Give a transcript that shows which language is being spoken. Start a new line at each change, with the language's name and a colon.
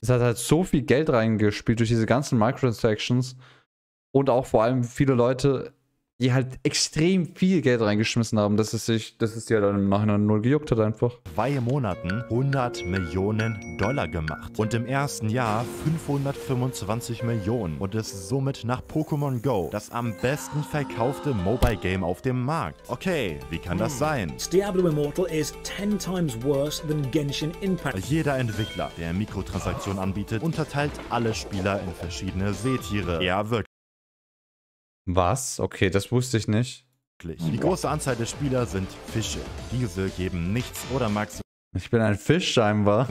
German: Es hat halt so viel Geld reingespielt durch diese ganzen Microtransactions und auch vor allem viele Leute, die halt extrem viel Geld reingeschmissen haben, dass es dir dann im Nachhinein null gejuckt hat einfach. 2 Monaten $100 Millionen gemacht und im ersten Jahr 525 Millionen und ist somit nach Pokémon Go das am besten verkaufte Mobile Game auf dem Markt. Okay, wie kann das sein?
English: Diablo Immortal is 10 times worse than Genshin Impact.
German: Jeder Entwickler, der Mikrotransaktionen anbietet, unterteilt alle Spieler in verschiedene Seetiere. Ja, wirklich. Was? Okay, das wusste ich nicht. Die große Anzahl der Spieler sind Fische. Diese geben nichts oder maximal. Ich bin ein Fisch scheinbar.